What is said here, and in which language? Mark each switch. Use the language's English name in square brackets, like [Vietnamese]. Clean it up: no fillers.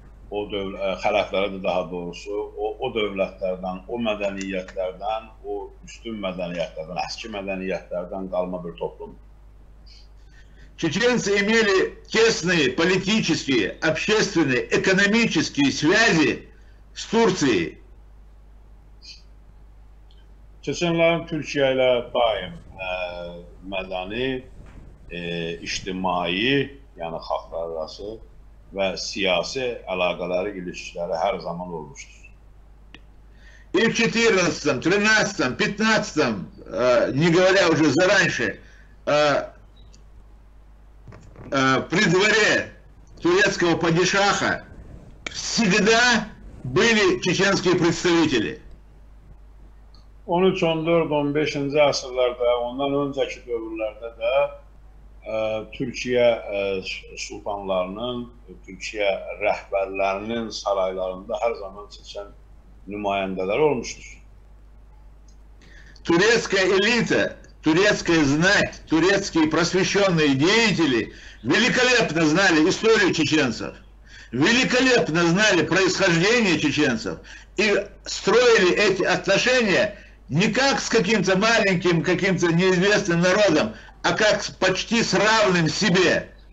[Azerbaijani] O xələfləridir daha doğrusu. O dövlətlərdən, o mədəniyyətlərdən, o üstün mədəniyyətlərdən, əski mədəniyyətlərdən qalma bir toplum. [Russian] Чеченцы имели тесные политические, общественные, экономические связи с Турцией. [Turkish] Чеченцы Türkiye ile daim medeni, ictimai, yani halklar arası ve siyasi alakaları, ilişkileri her zaman olmuştur. [Russian] И в 14-м, 13-м, 15-м, не говоря уже за раньше, при дворе турецкого падишаха всегда были чеченские представители. [Azerbaijani] 13-14-15-ci əsrlərdə, ondan öncəki dövrlərdə də Türkiyə sultanlarının, Türkiyə rəhbərlərinin saraylarında hər zaman çeçən nümayəndələr olmuşdur. [Russian] Турецкая элита, турецкая знать, турецкие просвещенные деятели великолепно знали историю чеченцев, великолепно знали происхождение чеченцев и строили эти отношения не как с каким-то маленьким, каким-то неизвестным народом, а как с почти с равным себе.